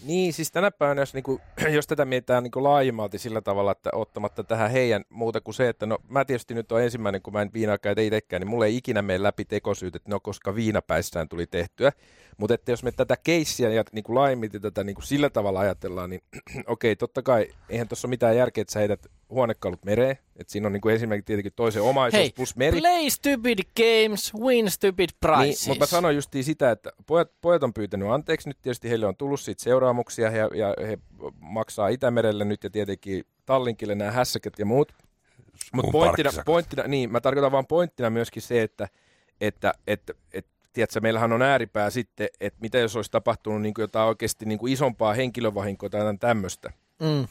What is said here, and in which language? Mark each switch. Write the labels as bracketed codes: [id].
[fi] Niin, siis tänä päivänä, jos tätä mietitään niin kuin laajemmalti sillä tavalla, että ottamatta tähän heidän muuta kuin se, että no mä tietysti nyt on ensimmäinen, kun mä en viinaa itsekään, niin mulle ei ikinä mene läpi tekosyyt, että no koska viinapäissään tuli tehtyä. Mutta että jos me tätä keissiä ja niin kuin laajemmin tätä niin kuin sillä tavalla ajatellaan, niin okei, totta kai, eihän tuossa ole mitään järkeä, että sä heität huonekalut mereen. Että siinä on niin kuin esimerkiksi tietenkin toisen omaisuus hei, plus meri. [en] Play stupid games, win stupid prizes. [fi] Niin, mutta mä sanoin justiin sitä, että pojat on pyytänyt anteeksi nyt. Tietysti heille on tullut siitä seuraamuksia ja he maksaa Itämerelle nyt ja tietenkin Tallinkille nämä hässäket ja muut. Mutta pointtina, niin mä tarkoitan vaan pointtina myöskin se, että tiedätkö, meillähän on ääripää sitten, että mitä jos olisi tapahtunut niin kuin jotain oikeasti niin kuin isompaa henkilövahinkoa tai jotain tämmöistä. Mm.